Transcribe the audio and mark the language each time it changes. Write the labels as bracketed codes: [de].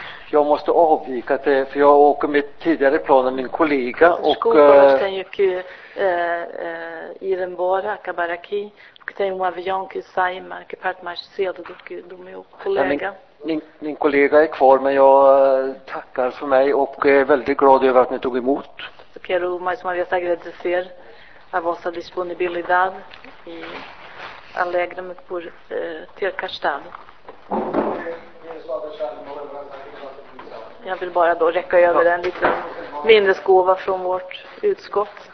[sv] Jag måste avvika det, för jag åker med tidigare plan än min kollega. [pt] Desculpe, [sv] jag måste [pt] ir embora, acabar aqui, porque tenho avião que sai, mas que parte mais cedo do que do meu colega. [sv] Min kollega är kvar, men jag tackar för mig och är väldigt glad över att ni tog emot. [pt] Så quero mais uma vez agradecer a vossa disponibilidade e alegra-me por ter cá estado. [sv] Jag vill bara då räcka över en liten minnesgåva från vårt utskott.